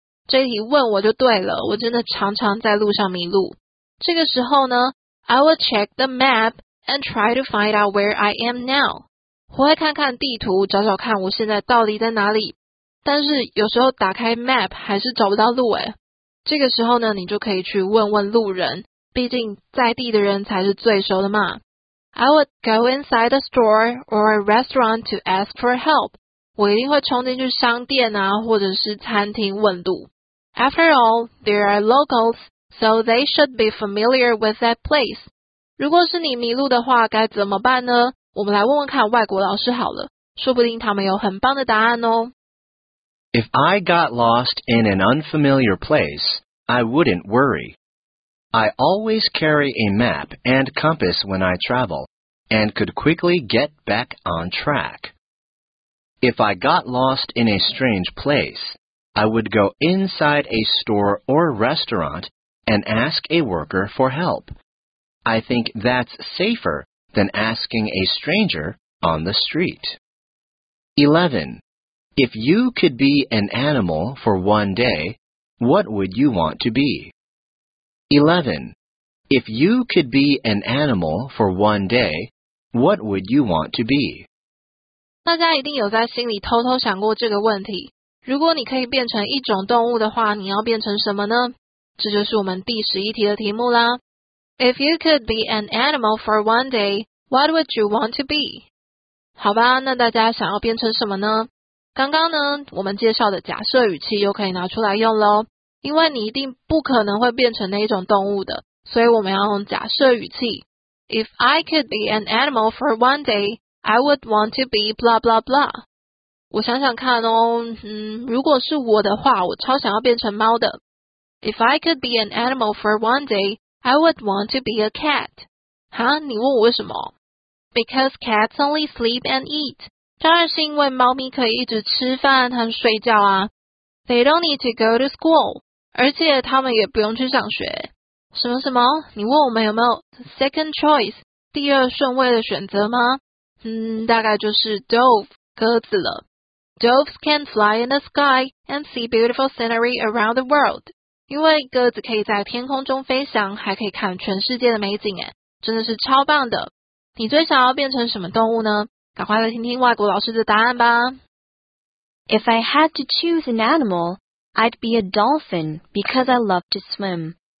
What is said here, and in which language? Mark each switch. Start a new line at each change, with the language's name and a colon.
Chinese: 这题问我就对了，我真的常常在路上迷路。这个时候呢，
English: I will check the map and try to find out where I am now.
Chinese: 我会看看地图，找找看我现在到底在哪里。但是有时候打开 map 还是找不到路诶。这个时候呢，你就可以去问问路人，毕竟在地的人才是最熟的嘛。
English: I would go inside a store or a restaurant to ask for help.
Chinese: 我一定会冲进去商店啊，或者是餐厅问路。
English: After all, there are locals, so they should be familiar with that place.
Chinese: 如果是你迷路的话，该怎么办呢？我们来问问看外国老师好了，说不定他们有很棒的答案哦。
English: If I got lost in an unfamiliar place, I wouldn't worry. I always carry a map and compass when I travel, and could quickly get back on track. If I got lost in a strange place, I would go inside a store or restaurant and ask a worker for help. I think that's safer than asking a stranger on the street. 11. If you could be an animal for one day, what would you want to be? 11. If you could be an animal for one day, what would you want to be?
Chinese: 大家一定有在心里偷偷想过这个问题。如果你可以变成一种动物的话，你要变成什么呢？这就是我们第十一题的题目啦。
English: If you could be an animal for one day, what would you want to be?
Chinese: 好吧，那大家想要变成什么呢？刚刚呢，我们介绍的假设语气又可以拿出来用咯，因为你一定不可能会变成那一种动物的，所以我们要用假设语气。
English: If I could be an animal for one day, I would want to be blah blah blah。
Chinese: 我想想看哦，如果是我的话，我超想要变成猫的。
English: If I could be an animal for one day, I would want to be a cat.
Chinese: 哈，你问我为什么？
English: Because cats only sleep and eat.
Chinese: 当然是因为猫咪可以一直吃饭和睡觉啊。
English: They don't need to go to school.
Chinese: 而且他们也不用去上学。什么什么？你问我们有没有
English: second choice,
Chinese: 第二顺位的选择吗？大概就是 dove, 鸽子了。
English: Doves can fly in the sky and see beautiful scenery around the world.
Chinese: 因为鸽子可以在天空中飞翔，还可以看全世界的美景，诶，真的是超棒的。你最想要变成什么动物呢？赶快来听听外国老师的答案吧。
English: If I had to choose an animal, I'd be a dolphin because I love to swim.